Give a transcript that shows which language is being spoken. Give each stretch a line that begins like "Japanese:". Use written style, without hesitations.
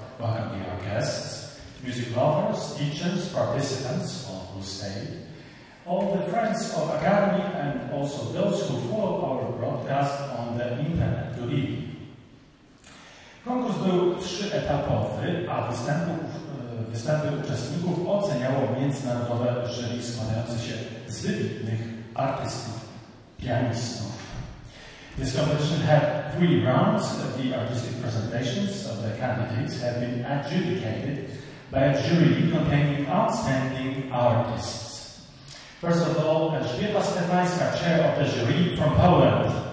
English: Welcome to our guests, music lovers, teachers, participants of who stayed, all the friends of Academy and also those who follow our broadcast on the internet. Good evening.
Polish: Konkurs był trzyetapowy, a występy uczestników oceniało międzynarodowe jury składające się z wybitnych artystów, pianistów.
English: This competition had three rounds. The artistic presentations of the candidates have been adjudicated by a jury containing outstanding artists. First of all, Elżbieta Stefańska, chair of the jury from Poland.